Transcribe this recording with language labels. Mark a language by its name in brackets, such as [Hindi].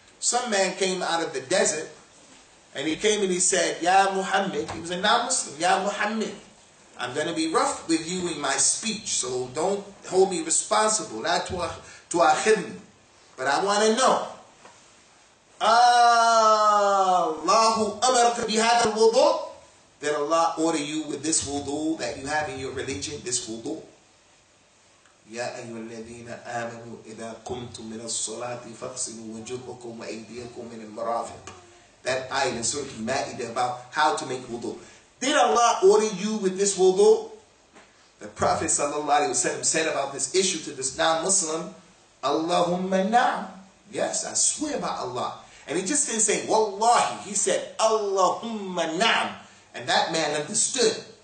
[English] Some man came out of the desert, and he came and he said, Ya Muhammad, he was a non-Muslim, Ya Muhammad, I'm going to be rough with you in my speech, so don't hold me responsible, not to akhidni. But I want to know, Allahu amarak bihadha al-wudu, did Allah order you with this wudu that you have in your religion, this wudu? [Arabic] يا أيها الذين آمنوا إذا قمتم من الصلاة فاغسلوا وجوهكم وأيديكم من المرافق. [English] That ayah in Surah Al-Ma'idah about how to make wudu. Did Allah order you with this wudu? The Prophet said about this issue to this non-Muslim, Allahumma na'am. Yes, I swear by Allah. And he just didn't say wallahi. He said Allahumma na'am. And that man understood.